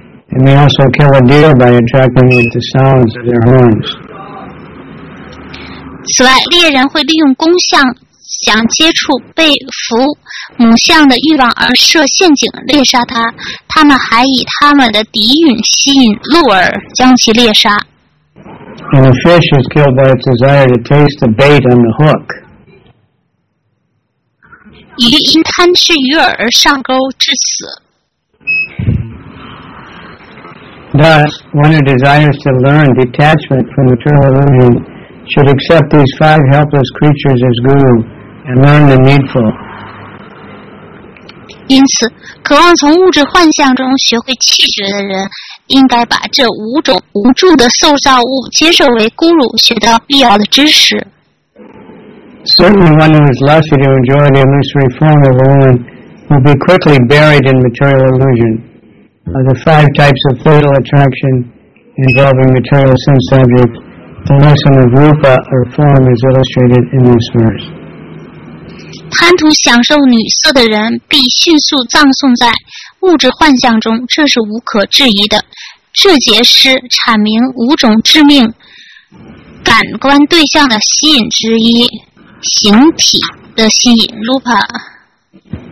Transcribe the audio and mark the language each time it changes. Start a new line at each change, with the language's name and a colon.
English: They may also kill a deer by attracting it with the sounds of their horns.
Chinese: 此外，猎人会利用公象想接触被俘母象的欲望而设陷阱猎杀它。他们还以他们的笛韵吸引鹿儿将其猎杀。
English: And a fish is killed by its desire to taste the bait on the hook.
Chinese: 鱼因贪吃鱼饵而上钩致死。
English: Thus, one who desires to learn detachment from material illusion should accept these five helpless creatures as guru and learn the needful.
Chinese: 因此，渴望从物质幻象中学会气绝的人，应该把这五种无助的塑造物接受为guru，学到必要的知识。
English: Certainly one who is lusty to enjoy the illusory form of a woman will be quickly buried in material illusion. Of the five types of fatal attraction involving material sense object, the lesson of rupa or form is illustrated in this verse.
Chinese: 贪图享受女色的人必迅速葬送在物质幻象中，这是无可置疑的。这节诗阐明五种致命感官对象的吸引之一，形体的吸引 ，rupa。